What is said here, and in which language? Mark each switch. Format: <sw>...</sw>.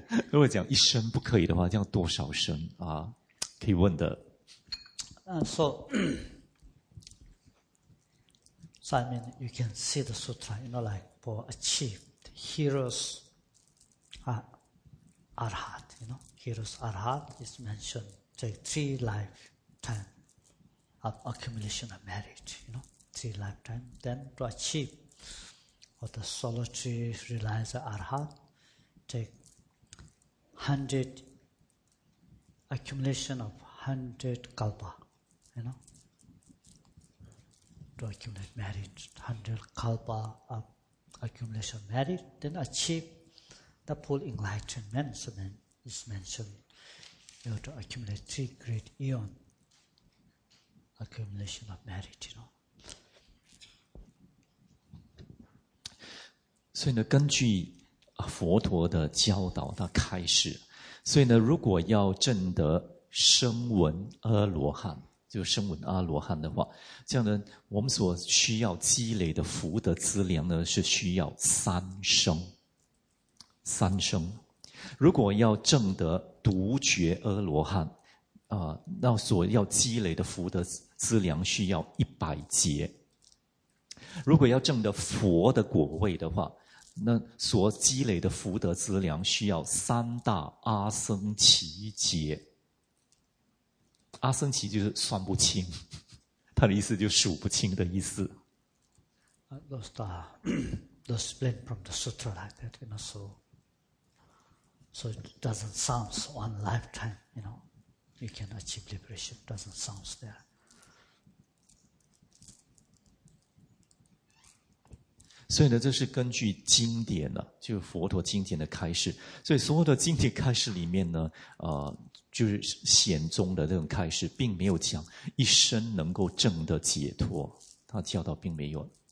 <zh>如果讲一生不可以的话，这样多少生啊？可以问的。</zh> <en>So, so I mean, you can see the sutra, you know, like for achieved heroes, arhat, you know, heroes arhat is mentioned like three lifetime of accumulation of merit, you know, three lifetime. Then to achieve, or the solitary realizer arhat, take. 100 accumulation of 100 kalpa, you know, to accumulate merit, 100 kalpa of accumulation of merit, then achieve the full enlightenment. So then it's mentioned, you have to accumulate 3 great eon accumulation of merit, you know.</en> <zh>所以呢，根据佛陀的教导，他开始。所以呢，如果要证得声闻阿罗汉，就声闻阿罗汉的话，这样呢，我们所需要积累的福德资粮呢，是需要三生。三生，如果要证得独觉阿罗汉，那所要积累的福德资粮需要100劫。如果要证得佛的果位的话，那所积累的福德资粮需要三大阿僧祇劫，阿僧祇就是算不清，他的意思就是数不清的意思。</zh> <en>Those explained from the sutra like that, you know, so it doesn't sounds one lifetime, you know, you can achieve liberation, doesn't sounds there.</en> <zh>所以呢，这是根据经典呢，就是佛陀经典的开示。所以所有的经典开示里面呢，就是显宗的这种开示，并没有讲一生能够证得解脱，他教导并没有。</zh>